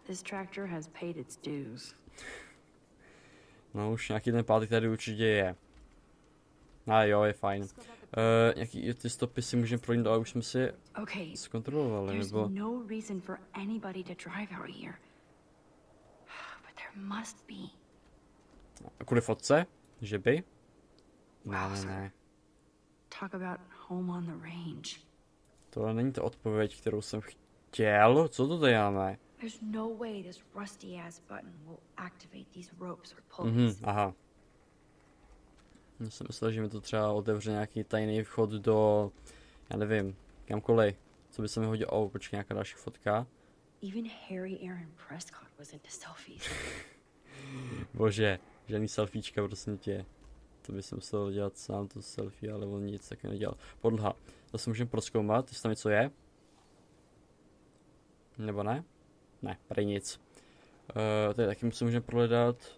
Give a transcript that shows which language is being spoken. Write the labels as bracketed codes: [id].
[en] This tractor has paid its dues. [cs] No už nějaký ten pátek tady určitě je. A jo, je fajn. Nějaký ty stopy si můžeme projít, ale už jsme si [en] okay. [cs] Zkontrolovali, nebo... [en] There's no reason for anybody to drive out here. But there must be. [cs] A kvůli fotce? Že by? Wow, ne. [en] Talk about home on the range. [cs] Tohle není ta odpověď, kterou jsem chtěl. Co to tady máme? [en] There's no way this rusty ass button will activate these ropes or pulleys. Mhm, [cs] aha. Já jsem myslel, že mi to třeba otevře nějaký tajný vchod do... Já nevím, kamkoliv. Co by se mi hodilo? Oh, počkej, nějaká další fotka. [en] Even Harry Aaron Prescott was into selfies. [cs] Bože, žádný selfiečka, prosím tě. To by se musel dělat sám to selfie, ale on nic taky nedělal. Podlaha. Zase můžeme prozkoumat, jestli tam něco je. Nebo ne? Ne, prej nic. Tady taky se můžeme prohledat.